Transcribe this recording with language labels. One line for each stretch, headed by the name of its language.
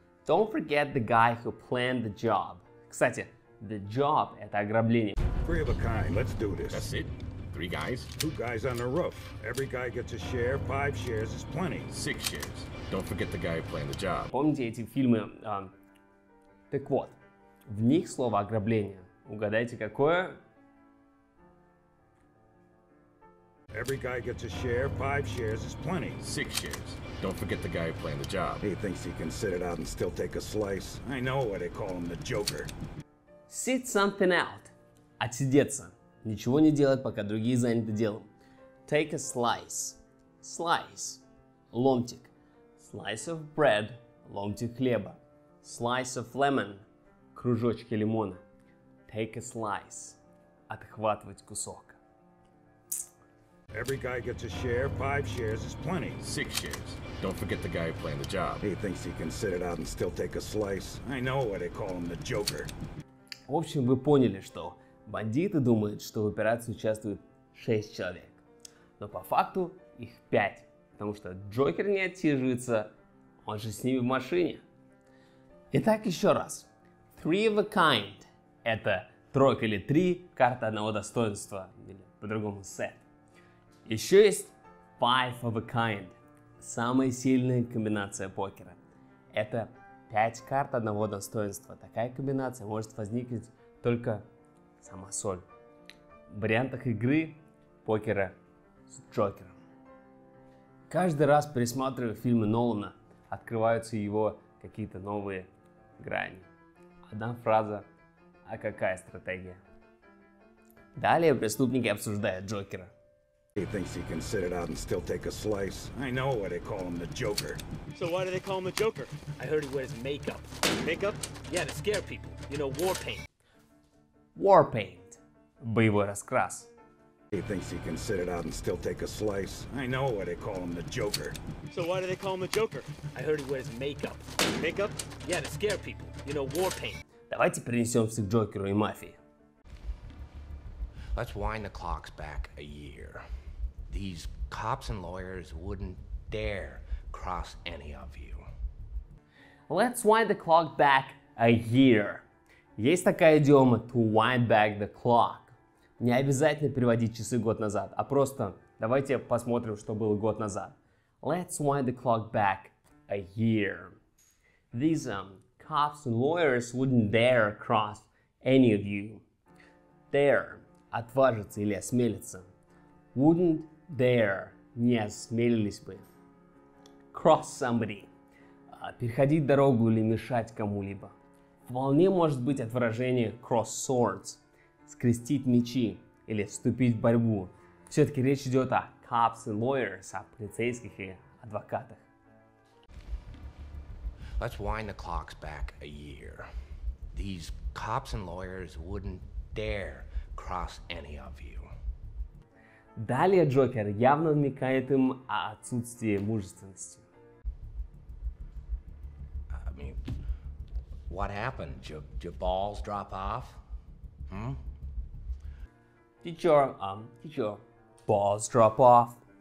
English: Don't forget the guy who planned the job.
Russian: Кстати,
English: the job
Russian: – это ограбление.
English: Three of a kind. Let's do this. That's it. Three guys. Two guys on the roof. Every guy gets a share. 5 shares is plenty. 6 shares. Don't forget the guy who planned the job.
Russian: Помните эти фильмы? Так вот, в них слово ограбление. Угадайте, какое?
English: Every guy gets a share. 5 shares is plenty. 6 shares. Don't forget the guy who planned the job. He thinks he can sit it out and still take a slice. I know why they call him the Joker. Sit something out.
Russian: Отсидеться. Ничего не делать, пока другие заняты делом.
English: Take a slice. Slice.
Russian: Ломтик.
English: Slice of bread.
Russian: Ломтик хлеба.
English: Slice of lemon.
Russian: Кружочки лимона.
English: Take a slice.
Russian: Отхватывать кусок.
English: Every guy gets a share. 5 shares is plenty. 6 shares. Don't forget the guy who planned the job. He thinks he can sit it out and still take a slice. I know why they call him the Joker.
Russian: В общем, вы поняли, что бандиты думают, что в операции участвует 6 человек. Но по факту их 5. Потому что Джокер не отсиживается. Он же с ними в машине. Итак, еще раз.
English: Three of a kind.
Russian: Это тройка или три карты одного достоинства. Или по-другому set. Еще есть
English: five of a kind,
Russian: самая сильная комбинация покера. Это 5 карт одного достоинства. Такая комбинация может возникнуть только сама соль. В вариантах игры покера с Джокером. Каждый раз, пересматривая фильмы Нолана, открываются его какие-то новые грани. Одна фраза, а какая стратегия? Далее преступники обсуждают Джокера.
English: He thinks he can sit it out and still take a slice. I know why they call him the Joker. So why do they call him the Joker? I heard he wears makeup. Makeup? Yeah, to scare people. You know, war paint. War paint.
Russian: Боевой раскрас.
English: He thinks he can sit it out and still take a slice. I know why they call him the Joker. So why do they call him the Joker? I heard he wears makeup. Makeup? Yeah, to scare people. You know, war paint.
Russian: Давайте перенесемся к Джокеру и мафии.
English: Let's wind the clocks back a year. These cops and lawyers wouldn't dare cross any of you. Let's wind the clock back a year.
Russian: Есть такая идиома
English: to wind back the clock.
Russian: Не обязательно переводить часы год назад, а просто давайте посмотрим, что было год назад.
English: Let's wind the clock back a year. These cops and lawyers wouldn't dare cross any of you. Dare.
Russian: Отважиться или осмелиться.
English: Wouldn't dare.
Russian: Не осмелились бы.
English: Cross somebody.
Russian: Переходить дорогу или мешать кому-либо. Вполне может быть от выражения
English: cross swords.
Russian: Скрестить мечи или вступить в борьбу. Все-таки речь идет о
English: cops and lawyers,
Russian: о полицейских и адвокатах. Let's wind the clocks back a year. These cops and lawyers wouldn't dare cross any of you. Далее Джокер явно намекает им о отсутствии мужественности.
English: What happened? Did your balls drop off? Hmm? Did your balls drop off?